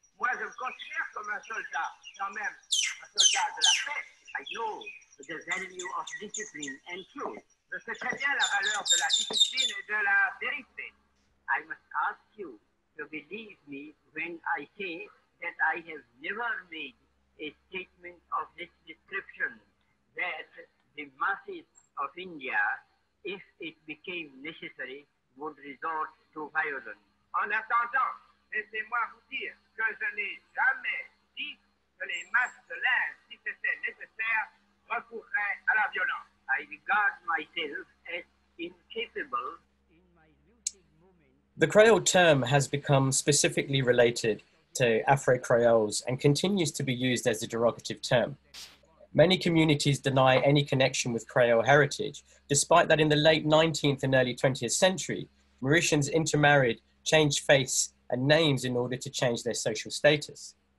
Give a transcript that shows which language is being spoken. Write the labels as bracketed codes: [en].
[fr] Moi, je me considère comme un soldat, quand même, un soldat de la paix. [en] I know the value of discipline and truth. [fr] Je sais très bien la valeur de la discipline et de la vérité. [en] I must ask you to believe me when I say that I have never made a statement of this description, that the masses of India, if it became necessary, would resort to violence. [fr] En attendant, laissez-moi vous dire que je n'ai jamais dit que les masses de l'Inde, si c'était nécessaire, recourraient à la violence. [en] I regard myself as incapable in my lucid moment. The Creole term has become specifically related to Afro-Creoles and continues to be used as a derogative term. Many communities deny any connection with Creole heritage, despite that in the late 19th and early 20th century, Mauritians intermarried, changed faiths and names in order to change their social status.